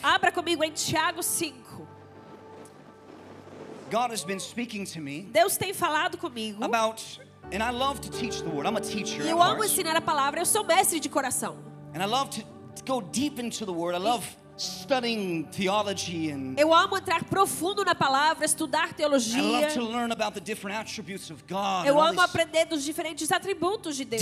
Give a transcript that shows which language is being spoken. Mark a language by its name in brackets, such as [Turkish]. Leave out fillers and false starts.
[Portuguese] Abra comigo em Tiago 5. [English] God has been speaking to me. [Portuguese] Deus tem falado comigo. [English] About and I love to teach the word. I'm a teacher. [Portuguese] Eu amo ensinar a palavra. Eu sou mestre de coração. [English] And I love to go deep into the word. I love studying theology and [Portuguese] eu amo entrar profundo na palavra, estudar teologia. [English] I love to learn about the different attributes of God. [Portuguese] Eu amo aprender dos diferentes atributos de Deus.